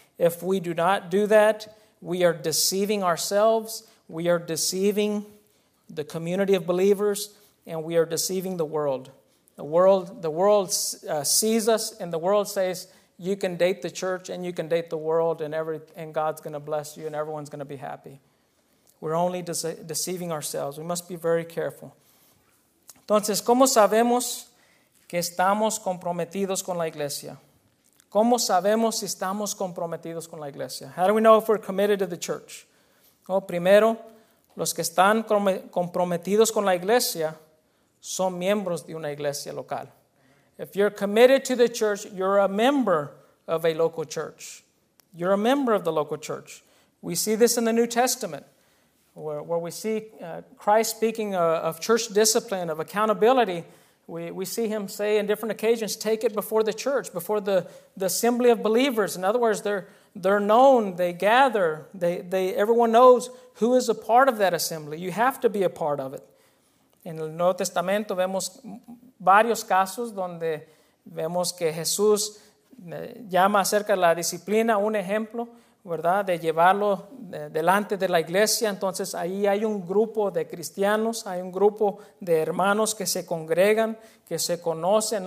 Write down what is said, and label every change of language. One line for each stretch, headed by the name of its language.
English: If we do not do that, we are deceiving ourselves, we are deceiving the community of believers, and we are deceiving the world. The world sees us, and the world says, you can date the church and you can date the world, and God's going to bless you and everyone's going to be happy. We're only deceiving ourselves. We must be very careful.
Spanish: Entonces, ¿cómo sabemos que estamos comprometidos con la iglesia? ¿Cómo sabemos si estamos comprometidos con la iglesia?
English: How do we know if we're committed to the church?
Spanish: Well, primero, los que están comprometidos con la iglesia son miembros de una iglesia local.
English: If you're committed to the church, you're a member of a local church. You're a member of the local church. We see this in the New Testament. Where we see Christ speaking of church discipline, of accountability, we see him say in different occasions, take it before the church, before the assembly of believers. In other words, they're known, they gather, they everyone knows who is a part of that assembly. You have to be a part of it.
Spanish: En el Nuevo Testamento vemos varios casos donde vemos que Jesús llama acerca de la disciplina un ejemplo, ¿verdad? De llevarlo delante de la iglesia. Entonces ahí hay un grupo de cristianos, hay un grupo de hermanos que se congregan, que se conocen.